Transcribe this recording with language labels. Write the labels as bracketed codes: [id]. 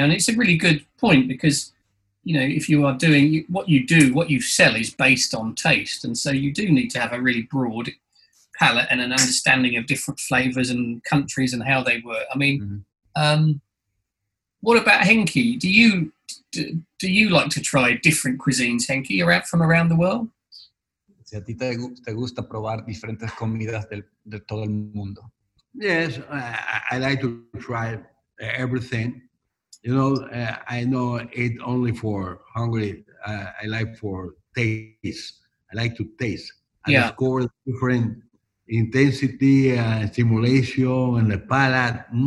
[en] And it's a really good point because, you know, if you are doing what you do, what you sell is based on taste. And so you do need to have a really broad palate and an understanding of different flavors and countries and how they work. I mean, what about Henke? Do you like to try different cuisines, Henke? You're out from around the world? [es] Si a ti te gusta probar diferentes comidas de todo el mundo. [en] Yes, I like to try everything. You know, I know it only for hungry. I like for taste. I like to taste. I discover different intensity, stimulation, and the palate.